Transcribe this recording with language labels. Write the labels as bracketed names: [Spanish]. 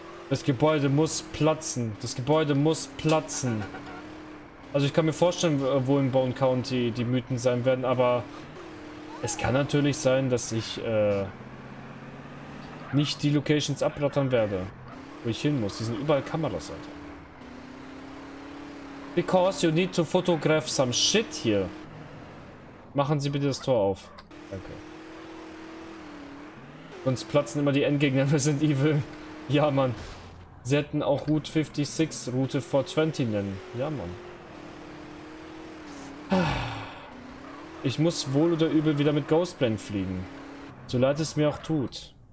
[German] Das Gebäude muss platzen. Das Gebäude muss platzen. Also ich kann mir vorstellen, wo in Bone County die Mythen sein werden, aber es kann natürlich sein, dass ich nicht die Locations abrattern werde, wo ich hin muss. Die sind überall Kameras, Alter. [English] Because you need to photograph some shit here. [German] Machen Sie bitte das Tor auf. Danke. Sonst platzen immer die Endgegner, wir sind evil. Ja, Mann. Sie hätten auch Route 56 Route 420 nennen. Ja, Mann. Ich muss wohl oder übel wieder mit Ghostblend fliegen. So leid es mir auch tut.